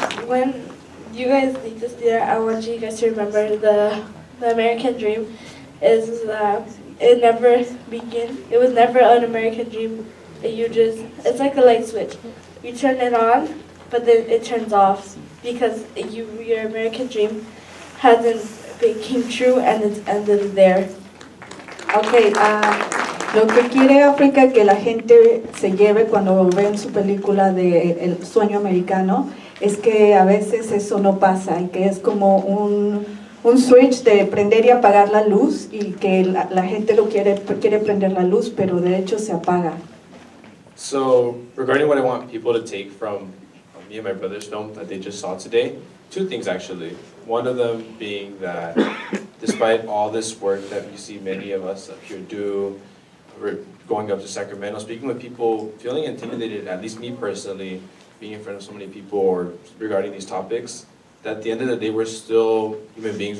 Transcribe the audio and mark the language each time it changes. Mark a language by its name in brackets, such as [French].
[English] When you guys leave this theater, I want you guys to remember the American dream is that it never begins. It was never an American dream. It's like a light switch. You turn it on, but then it turns off because your American dream hasn't become true and it's ended there. [Spanish] Okay, lo que quiere África que la gente se lleve cuando ven su película de El Sueño Americano es que a veces eso no pasa y que es como un switch de prender y apagar la luz y que la gente lo quiere prender la luz, pero de hecho se apaga. [English] So, regarding what I want people to take from me and my brother's film that they just saw today, two things actually. One of them being that despite all this work that you see many of us up here do, we're going up to Sacramento, speaking with people, feeling intimidated, at least me personally, being in front of so many people or regarding these topics, that at the end of the day, we're still human beings.